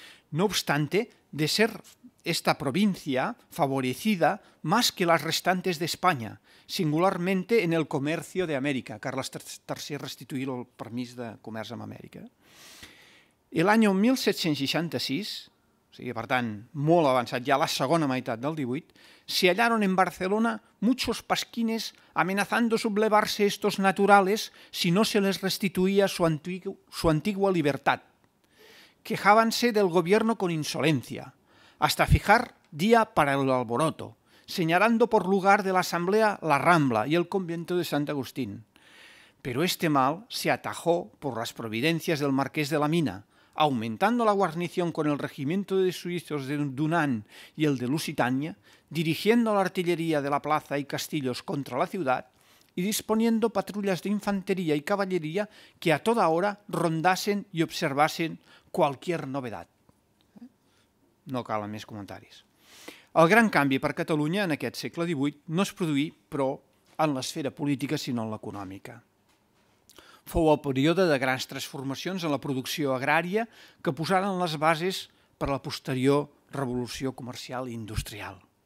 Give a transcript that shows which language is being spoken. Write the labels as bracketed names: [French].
[Spanish] No obstante, de ser esta provincia favorecida más que las restantes de España, singularmente en el comercio de América. [Catalan] Carles III restituir el permís de comerç amb Amèrica. [Spanish] El año 1766, [Catalan] o sigui, per tant, molt avançat ja la segona meitat del 18, [Spanish] se hallaron en Barcelona muchos pasquines amenazando sublevarse estos naturales si no se les restituía su antigua libertad. Quejábanse del gobierno con insolencia, hasta fijar día para el alboroto, señalando por lugar de la asamblea la Rambla y el convento de Sant Agustín. Pero este mal se atajó por las providencias del marqués de la Mina, aumentando la guarnición con el regimiento de suizos de Dunán y el de Lusitania, dirigiendo la artillería de la plaza y castillos contra la ciudad y disponiendo patrullas de infantería y caballería que a toda hora rondasen y observasen cualquier novedad. [Catalan] No calen més comentaris. El gran canvi per Catalunya en aquest segle XVIII no es produí, però, en l'esfera política, sinó en l'econòmica. Fou el període de grans transformacions en la producció agrària que posaren les bases per a la posterior revolució comercial i industrial.